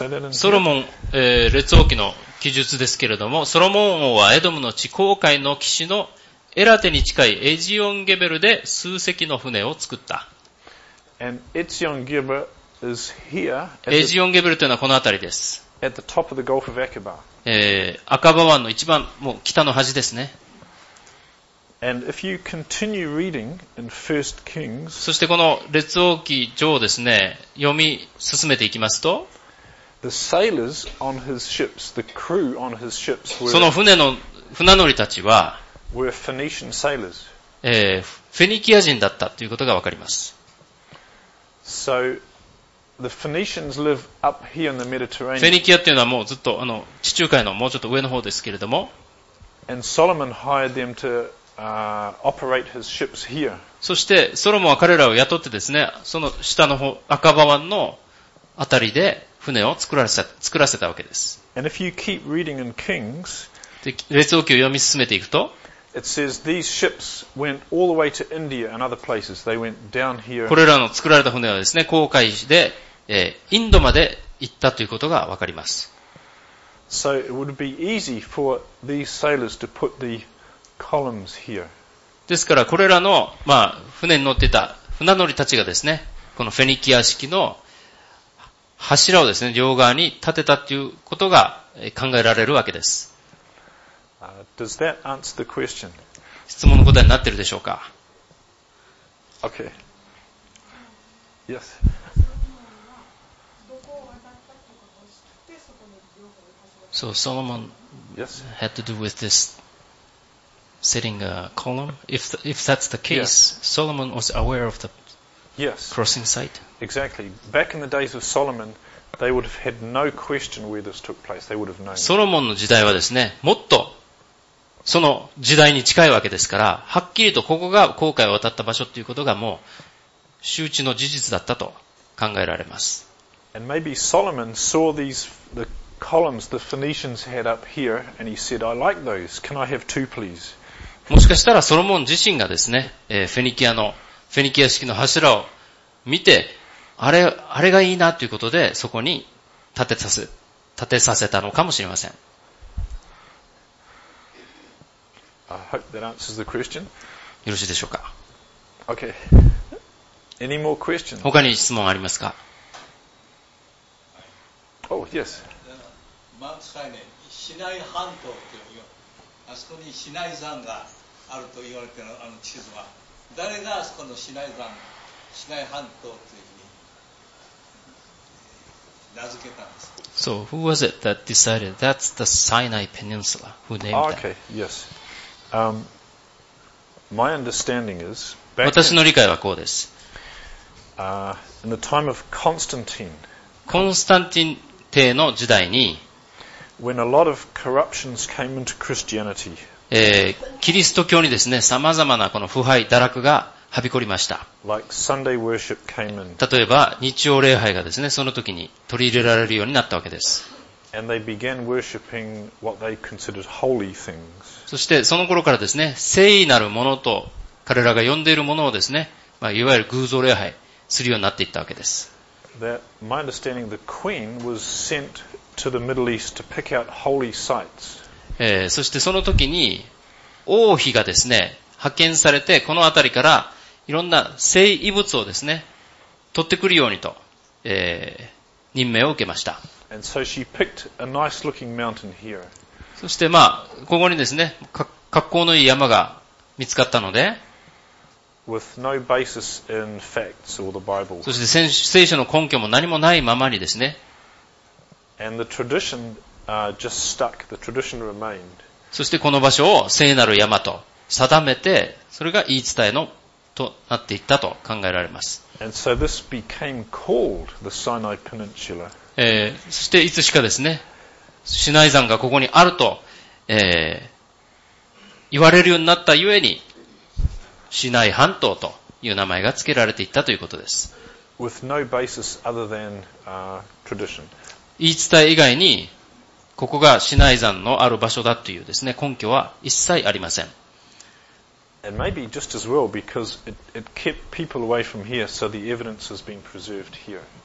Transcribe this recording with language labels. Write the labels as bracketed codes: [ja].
[ja] ソロモン、列王記の記述ですけれども、ソロモン王はエドムの地郊外の岸のエラテに近いエジオンゲベルで数隻の船を作った。 [en] And Ezion Geber is here. [ja] エジオンゲベルというのはこの辺りです。 [en] At the top of the Gulf of Aqaba. [ja] 赤羽湾の一番もう北の端ですね。 [en] And if you continue reading in First Kings, [ja] そしてこの列王記上をですね、読み進めていきますと、 [en] the sailors on his ships, the crew on his ships were, [ja] その船の船乗りたちは、 [en] were Phoenician sailors. [ja] フェニキア人だったということがわかります。 [en] So, the Phoenicians live up here in the Mediterranean. [ja] フェニキアっていうのはもうずっと地中海のもうちょっと上の方ですけれども、 [en] and Solomon hired them to operate his ships here. [ja] そしてソロモンは彼らを雇ってですね、その下の方赤羽湾のあたりで船を作らせたわけです。 [en] And if you keep reading in Kings, [ja] 列王記を読み進めていくと、 [en] it says these ships went all the way to India and other places. They went down here. [ja] これらの作られた船はですね、航海で、インドまで行ったということがわかります。 [en] So it would be easy for these sailors to put theColumns here. [ja] ですからこれらの、まあ、船に乗っていた船乗りたちがですね、このフェニキア式の柱をですね、両側に立てたということが考えられるわけです。 [en] Does that answer the question? [ja] 質問の答えになっているでしょうか。 [en] Okay. Yes. So Solomon had to do with this. Setting a column. If that's the case, yes. Solomon was aware of the crossing site. Exactly. Back in the days of Solomon, they would have had no question where this took place. They would have known. [ja] ソロモンの時代はですね、もっとその時代に近いわけですから、はっきりとここが航海を渡った場所ということがもう周知の事実だったと考えられます。 [en] And maybe Solomon saw the columns the Phoenicians had up here, and he said, "I like those. Can I have two, please?" [ja] もしかしたらソロモン自身がですね、フェニキア式の柱を見て、あれがいいなということでそこに立てさせたのかもしれません。 [en] I hope that answers the question. [ja] よろしいでしょうか。 [en] Okay. Any more questions? [ja] 他に質問ありますか。 [en] Oh, yes. [ja] マークスカイネ、シナイ半島っていう、あそこにシナイ山があると言われているあの地図は、誰があそこのシナイ山、シナイ半島というふうに名付けたんですか。 [en] So, who was it that decided that's the Sinai Peninsula? Who named that? Okay, yes. My understanding is, [ja] 私の理解はこうです。 [en] In the time of Constantine, [ja] コンスタンティン帝の時代に、 [en] When a lot of corruptions came into Christianity. [ja] キリスト教にですね、様々なこの腐敗、堕落がはびこりました。 [en] Like Sunday worship came in. [ja] 例えば、日曜礼拝がですね、その時に取り入れられるようになったわけです。 [en] And they began worshiping what they considered holy things. [ja] そして、その頃からですね、聖なるものと彼らが呼んでいるものをですね、まあ、いわゆる偶像礼拝するようになっていったわけです。 [en] That my understanding, the queen was sent to the Middle East to pick out holy sites. [ja] そしてその時に王妃がですね、派遣されてこの辺りからいろんな聖遺物をですね、取ってくるようにと、任命を受けました。 [en] And so she picked a nice looking mountain here. [ja] そしてまあここにですね、格好のいい山が見つかったので、 [en] With no basis in facts or the Bible. [ja] そして聖書の根拠も何もないままにですね、 [en] And the tradition, just stuck. The tradition remained. [ja] そしてこの場所を聖なる山と定めて、それが言い伝えのとなっていったと考えられます。 [en] And so this became called the Sinai Peninsula. [ja] そしていつしかですね、シナイ山がここにあると、言われるようになったゆえに、シナイ半島という名前が付けられていったということです。 [en] With no basis other than, tradition. [ja] 言い伝え以外に、ここがシナイ山のある場所だというですね、根拠は一切ありません。 [en] And maybe just as well because it kept people away from here, so the evidence has been preserved here.